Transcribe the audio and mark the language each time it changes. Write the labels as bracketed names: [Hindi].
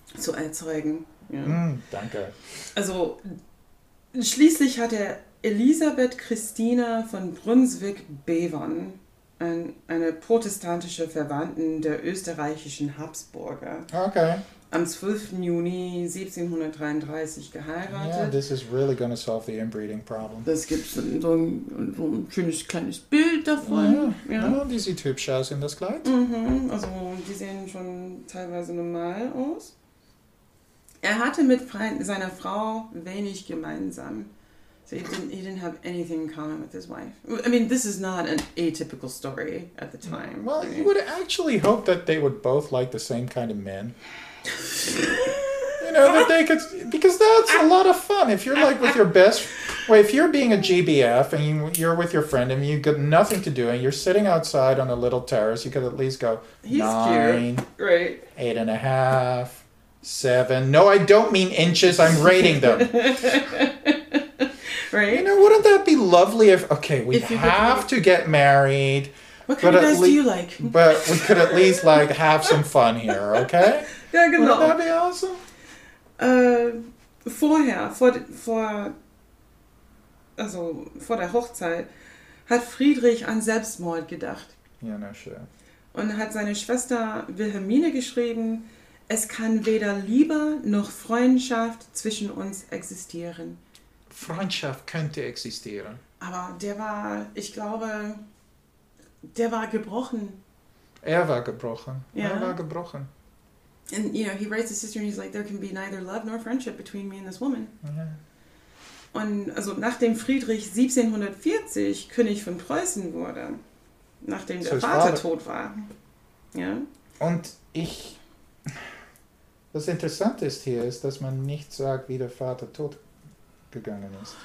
[German] Zu erzeugen. Ja. Mhm, danke. Also schließlich hat er Elisabeth Christina von Brunswick-Bevern, eine protestantische Verwandte der österreichischen Habsburger. Okay. Am 12. Juni 1733 geheiratet. [English] Yeah, this is really gonna solve the inbreeding problem. [German] Das gibt so ein schönes kleines Bild davon. Ja, ja. Die sieht hübsch aus in das Kleid. Mhm, also die sehen schon teilweise normal aus. Er hatte mit seiner Frau wenig gemeinsam. [English] So he didn't have anything in common with his wife. I mean, this is not an atypical story at the time. Well, you would actually hope that they would both like the same kind of men. You know, that they could, because that's a lot of fun. If you're like with your best, well, if you're being a GBF and you're with your friend and you got nothing to do and you're sitting outside on a little terrace, you could at least go, he's 9, cute. 8.5, 7. No, I don't mean inches. I'm rating them. Right? You know, wouldn't that be lovely if we have to get married? What kind of guys do you like? But we could at least like have some fun here, okay? [German] Ja, genau. [English] Wouldn't that be awesome? [German] Vor der Hochzeit hat Friedrich an Selbstmord gedacht. Ja, na schön. Und hat seine Schwester Wilhelmine geschrieben, es kann weder Liebe noch Freundschaft zwischen uns existieren. Freundschaft könnte existieren. Aber der war, ich glaube, der war gebrochen. Er war gebrochen. Ja. Er war gebrochen. [English] And, you know, he writes his sister and he's like, there can be neither love nor friendship between me and this woman. Yeah. [German] Und also nachdem Friedrich 1740 König von Preußen wurde, nachdem der Vater tot war. Ja. Und ich, das Interessante ist hier, ist, dass man nicht sagt, wie der Vater tot gegangen ist.